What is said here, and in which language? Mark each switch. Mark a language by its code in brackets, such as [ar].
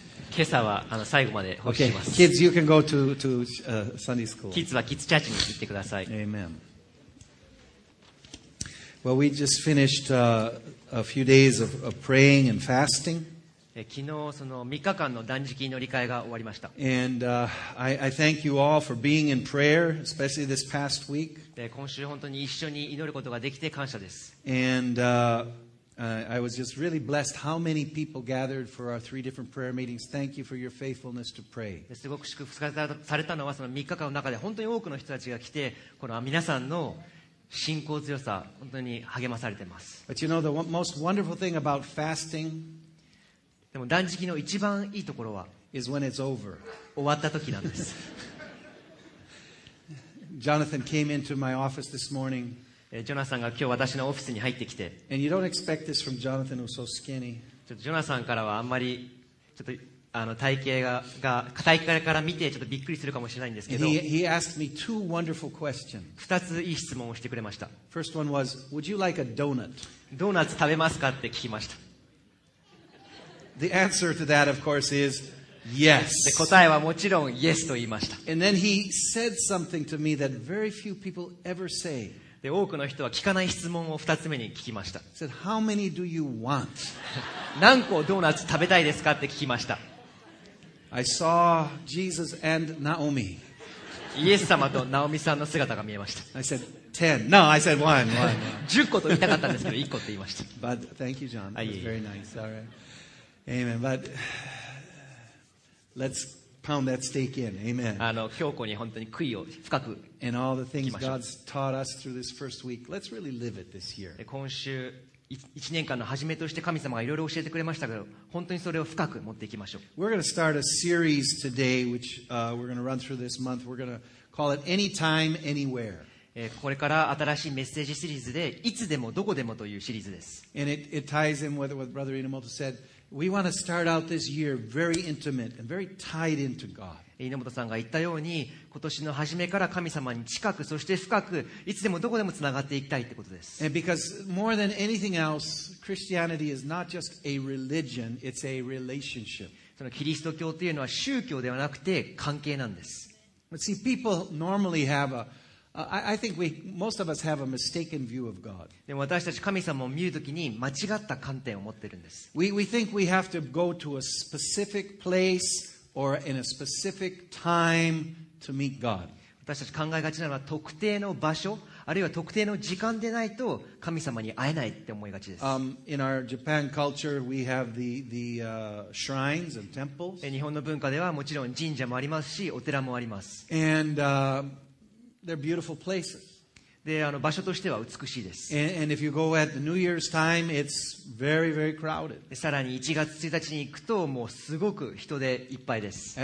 [ja] 今朝は最後まで奉仕します。 [en] Okay. Kids, you can go to Sunday school. [ja] キッズはキッズチャーチに行ってください。 Amen. [en] Well, we just finished a few days of praying and fasting. [ja] 昨日その3日間の断食乗り換えが終わりました。 [en] And, I thank you all for being in prayer, especially this past week. [ja] 今週本当に一緒に祈ることができて感謝です。 [en] And, I was just really blessed how many people gathered for our three different prayer meetings. Thank you for your faithfulness to pray. [ja] すごく祝福されたのはその3日間の中で本当に多くの人たちが来て、この皆さんの信仰強さ本当に励まされています。 [en] But you know the most wonderful thing about fasting [ja] でも断食の一番いいところは終わった時なんです。 [en] Jonathan came into my office this morning. [ja] ジョナサンが今日私のオフィスに入ってきて。 [en] And you don't expect this from Jonathan, who's so skinny. [ja] ちょっとジョナサンからはあんまりちょっと体型が体型から見てちょっとびっくりするかもしれないんですけど、 [en] he asked me two wonderful questions. [ja] 2ついい質問をしてくれました。 [en] First one was, would you like a donut? [ja] ドーナツ食べますかって聞きました。 [en] The answer to that, of course, is yes. [ja] で、答えはもちろん yes と言いました。 [en] And then he said something to me that very few people ever say. [ja] で、多くの人は聞かない質問を2つ目に聞きました。 [en] He said, how many do you want? [ja] 何個ドーナツ食べたいですかって聞きました。 [en] I saw Jesus and Naomi. [ja] イエス様とナオミさんの姿が見えました。 [en] I said 10. No, I said 1. [ja] 10個と言いたかったんですけど、1個と言いました。 [en] But thank you, John. That was very nice. All right. Amen. But let's pound that stake in. Amen. [ja] 強固に本当に杭を深く。 [en] And all the things God's taught us through this first week, let's really live it this year. [ja] 今週1年間の始めとして神様がいろいろ教えてくれましたけど、本当にそれを深く持っていきましょう。 [en] We're going to start a series today, which we're going to run through this month. We're going to call it Anytime, Anywhere. [ja] これから新しいメッセージシリーズで、いつでもどこでもというシリーズです。 [en] And it ties in with what Brother Inamoto said. We want to start out this year very intimate and very tied into God. [ja] 井上さんが言ったように、今年の初めから神様に近く、そして深く、いつでもどこでもつながっていきたいということです。 [en] And because more than anything else, Christianity is not just a religion, it's a relationship. [ja] そのキリスト教というのは宗教ではなくて関係なんです。 [en] But see, people normally have a, I think we, most of us have a mistaken view of God. [ja] でも私たち神様を見るときに間違った観点を持っているんです。 [en] We think we have to go to a specific place. Or in a specific time to meet God. [ja] 私たち考えがちなのは特定の場所あるいは特定の時間でないと神様に会えないって思いがちです。 [en] In our Japan culture, we have the shrines and temples. [ja] 日本の文化ではもちろん神社もありますしお寺もあります。 [en] And they're beautiful places. [ja] で場所としては美しいです。 [en] And if you go at the New Year's time, it's very, very crowded. [ja] さらに1月1日に行くともうすごく人でいっぱいです。